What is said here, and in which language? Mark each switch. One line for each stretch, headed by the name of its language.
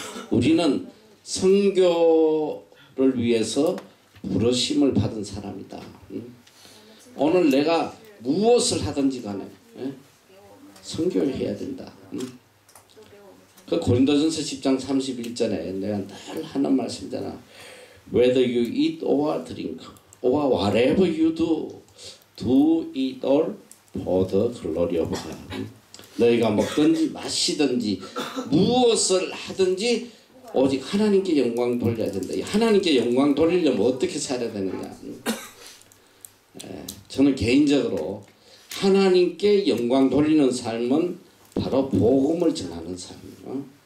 Korean: 우리는 선교를 위해서 부르심을 받은 사람이다. 오늘 내가 무엇을 하든지 간에 선교를 해야 된다. 그 고린도전서 10장 31절에 내가 늘 하는 말씀이잖아.
English: Whether you eat or drink or whatever you do, do it all for the glory of God.
Korean: 너희가 먹든지 마시든지 무엇을 하든지 오직 하나님께 영광 돌려야 된다. 하나님께 영광 돌리려면 어떻게 살아야 되느냐. 저는 개인적으로 하나님께 영광 돌리는 삶은 바로 복음을 전하는 삶이에요.